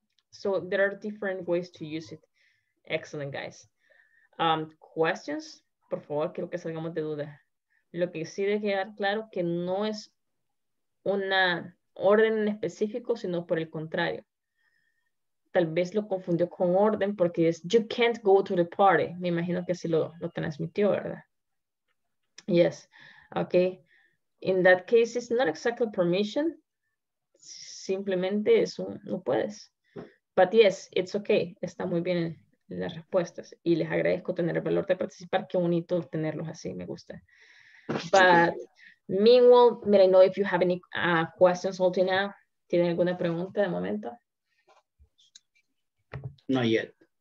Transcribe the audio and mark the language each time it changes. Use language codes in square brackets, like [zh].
[en] So there are different ways to use it. Excellent, guys. [es] Questions, por favor, quiero que salgamos de dudas. Lo que sí debe quedar claro que no es una orden en específico, sino por el contrario. Tal vez lo confundió con orden porque es [en] you can't go to the party. [es] Me imagino que así lo transmitió, ¿verdad? Yes. Okay. [en] In that case, it's not exactly permission. [es] Simplemente es un no puedes. [en] But yes, it's okay. [es] Está muy bien las respuestas. Y les agradezco tener el valor de participar. Qué bonito tenerlos así. Me gusta. [en] But meanwhile, let me know if you have any questions until now. [es] ¿Tienen alguna pregunta de momento? [en] Not yet.